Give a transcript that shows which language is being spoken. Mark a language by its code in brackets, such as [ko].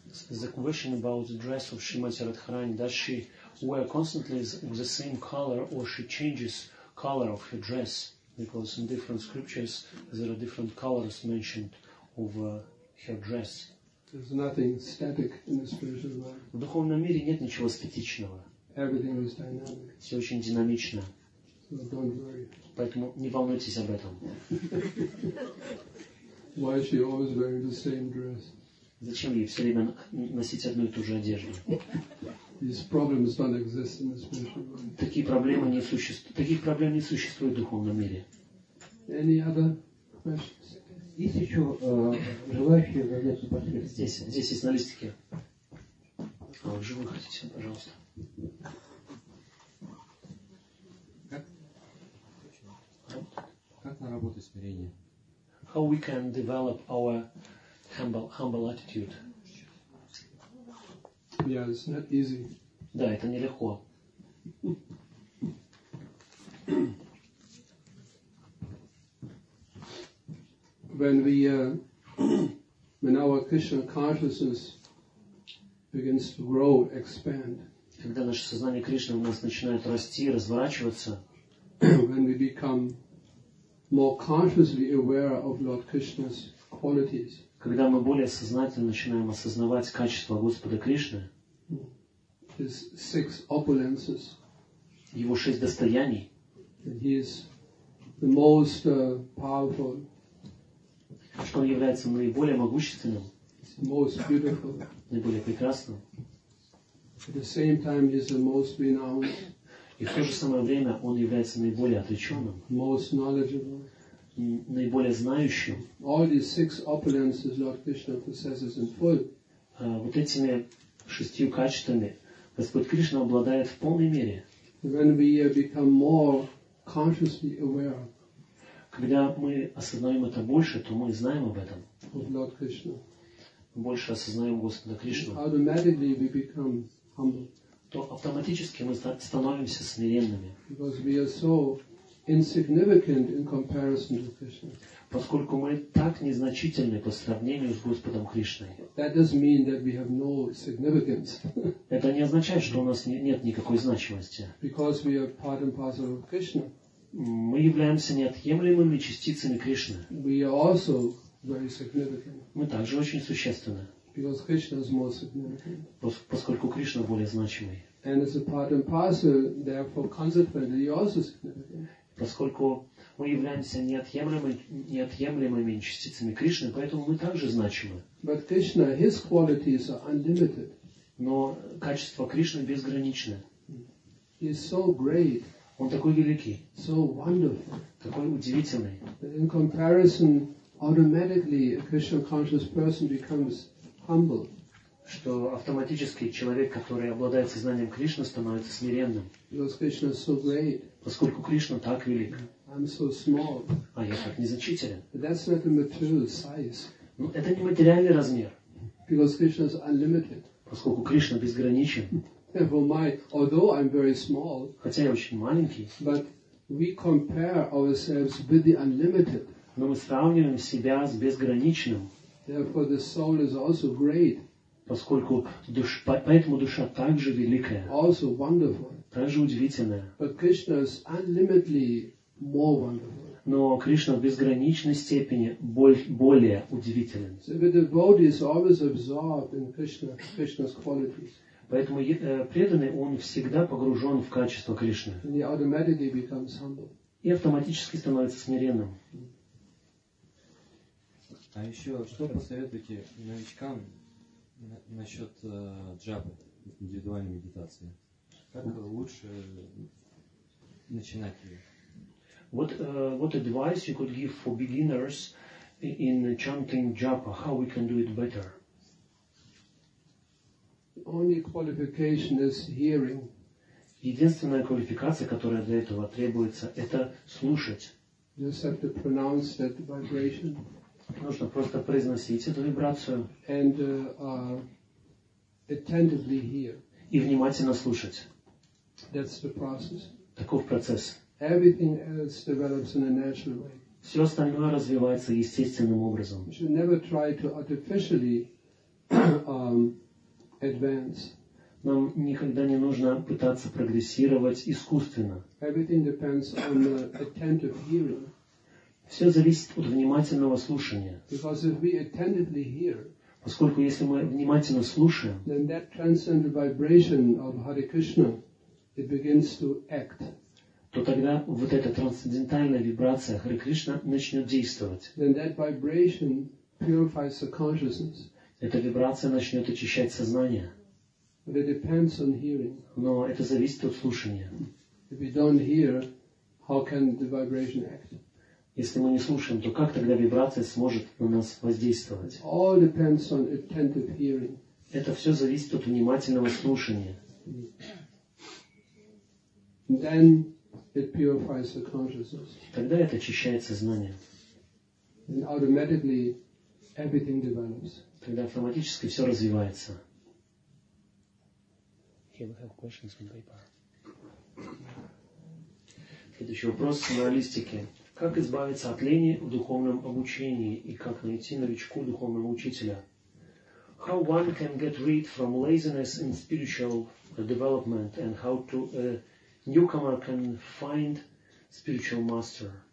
[en] The question about the dress of Shrimati Radharani, does she wear constantly the same color or she changes color of her dress? Because in different scriptures there are different colors mentioned of her dress. There's nothing static in the spiritual world. [ru] В духовном мире нет ничего статичного. [en] Everything is dynamic. [ru] Все очень динамично. [en] So don't worry. [ru] Поэтому не волнуйтесь об этом. [en] Why is she always wearing the same dress? [ru] Зачем ей все время носить одну и ту же одежду? [en] These problems don't exist in the spiritual world. [ru] Таких проблем не существует в духовном мире. [en] Any other questions? [ru] Есть еще желающие задать вопрос? Здесь есть на листике. А вы живой хотите, пожалуйста. Как наработать смирение? [en] How we can develop our humble attitude? Yeah, it's not easy. [ru] Да, это нелегко. [en] When our Krishna consciousness begins to grow, expand. [ru] Когда наше сознание Кришны у нас начинает расти, разворачиваться. [en] When we become more consciously aware of Lord Krishna's qualities. [ru] Когда мы более сознательно начинаем осознавать качества Господа Кришны. [en] His six opulences. [ru] Его шесть достояний. [en] That he is the most powerful. [ru] Что он является наиболее могущественным, [en] most beautiful, [ru] наиболее прекрасным. [en] At the same time, he is the most renowned, [ru] и в то же самое время он является наиболее отреченным, [en] most knowledgeable, [ru] наиболее знающим. [en] All these six opulences Lord Krishna possesses in full. [ru] Вот этими шестью качествами Господь Кришна обладает в полной мере. [en] When we become more consciously aware. [ru] Когда мы осознаем это больше, то мы знаем об этом. [en] Lord Krishna. [ru] Больше осознаем Господа Кришну. [en] Automatically we become humble. [ru] То автоматически мы становимся смиренными. [en] Because we are so insignificant in comparison to Krishna. [ru] Поскольку мы так незначительны по сравнению с Господом Кришной. [en] That doesn't mean that we have no significance. [ru] Это не означает, что у нас нет никакой значимости. [en] Because we are part and parcel of Krishna. [ru] Мы являемся неотъемлемыми частицами Кришны. [en] We are also very significant. [ru] Мы также очень существенны. [en] Because Krishna is more significant. [ru] Поскольку Кришна более значимый. [en] And as a part and parcel, therefore, consequently, you also significant. [ru] Поскольку мы являемся неотъемлемыми частицами Кришны, поэтому мы также значимы. [en] But Krishna, his qualities are unlimited. [ru] Но качество Кришны безграничны. [en] He is so great. [ru] Он такой великий. [en] So wonderful. [ru] Такой удивительный. [en] That in comparison, automatically, a Krishna conscious person becomes humble. [ru] Что автоматически человек, который обладает сознанием Кришны, становится смиренным. [en] Because Krishna is so great. [ru] Поскольку Кришна так велик. [en] I'm so small. [ru] А я так незначителен. [en] But that's not a material size. [ru] Но это не материальный размер. [en] Because Krishna is unlimited. [ru] Поскольку Кришна безграничен. [en] Therefore, although I'm very small, [ru] хотя я очень маленький, [en] but we compare ourselves with the unlimited. [ru] Но мы сравниваем себя с безграничным. [en] Therefore, the soul is also great. [ru] Поскольку поэтому душа также великая. [en] Also wonderful. [ru] Также удивительная. [en] But Krishna is unlimitedly more wonderful. [ru] Но Кришна в безграничной степени более удивителен. [en] So the devotee is always absorbed in Krishna's qualities. [ru] Поэтому преданный, он всегда погружен в качество Кришны. [en] And he automatically becomes humble. [ru] И автоматически становится смиренным. А еще, что посоветуете новичкам насчет джапы, индивидуальной медитации? Как лучше начинать ее? [en] What advice you could give for beginners in chanting japa? How we can do it better? Only qualification is hearing. [ru] Единственная квалификация, которая для этого требуется, это слушать. [en] You just have to pronounce that vibration. [ru] Нужно просто произносить эту вибрацию. [en] And attentively hear. [ru] И внимательно слушать. [en] That's the process. [ru] Таков процесс. [en] Everything else develops in a natural way. [ru] Все остальное развивается естественным образом. [en] You should never try to artificially advance. [ru] Нам никогда не нужно пытаться прогрессировать искусственно. [en] Everything depends on the attentive hearing. [ru] Все зависит от внимательного слушания. [en] Because if we attentively hear, [ru] поскольку если мы внимательно слушаем, [en] then that transcendental vibration of Hare Krishna, it begins to act. [ru] То тогда вот эта трансцендентальная вибрация Харе Кришна начнет действовать. [en] Then that vibration purifies the consciousness. [ru] Эта вибрация начнет очищать сознание. [en] But it depends on hearing. [ru] Но это зависит от слушания. [en] If we don't hear, how can the vibration act? [ru] Если мы не слушаем, то как тогда вибрация сможет на нас воздействовать? [en] All depends on attentive hearing. [ru] Это все зависит от внимательного слушания. [en] Then it purifies the consciousness. [ru] Тогда это очищает сознание. [en] And automatically everything develops. [ru] Тогда автоматически все развивается. [en] Here we have questions on paper. [ru] Следующий вопрос на листике. Как избавиться от лени в духовном обучении и как найти новичку духовного учителя? [en] How one can get rid from laziness in spiritual development and how to newcomer can find spiritual master.